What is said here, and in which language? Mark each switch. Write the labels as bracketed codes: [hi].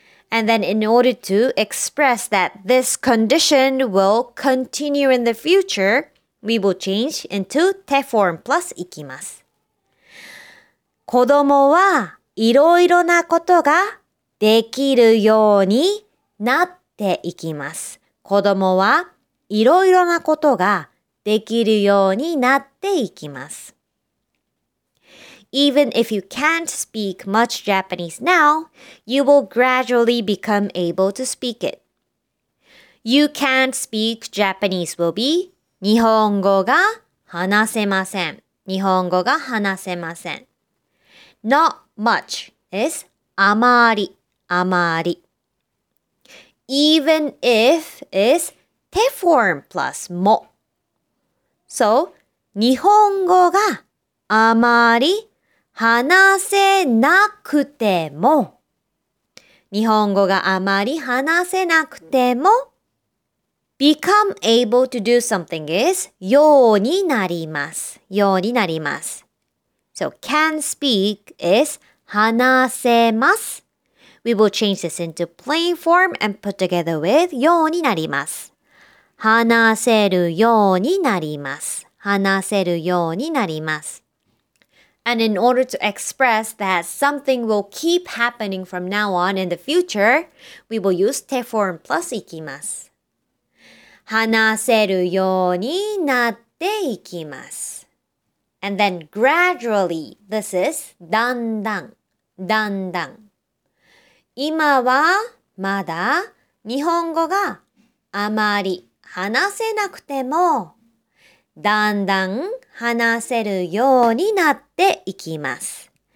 [en] And then in order to express that this condition will continue in the future, we will change into te form plus [ja] いきます。子供はいろいろなことができるようになっていきます。子供はいろいろなことができるようになっていきます。 [en] Even if you can't speak much Japanese now, you will gradually become able to speak it. You can't speak Japanese will be [ja] 日本語が話せません。日本語が話せません。 [en] Not much is [ja] あまり、あまり。 [en] Even if is te form plus も。So, [ja] 日本語があまり話せなくても。日本語があまり話せなくても。 [en] become able to do something is [ja] ようになります。ようになります。 [en] So can speak is [ja] 話せます。 [en] We will change this into plain form and put together with [ja] ようになります。話せるようになります。話せるようになります。 [en] And in order to express that something will keep happening from now on in the future, we will use 手 form plus [ja] いきます。話せるようになっていきます。 [en] And then gradually, this is [ja] だんだん、だんだん。今はまだ日本語があまり話せなくても、だんだん話せるようになっていきます。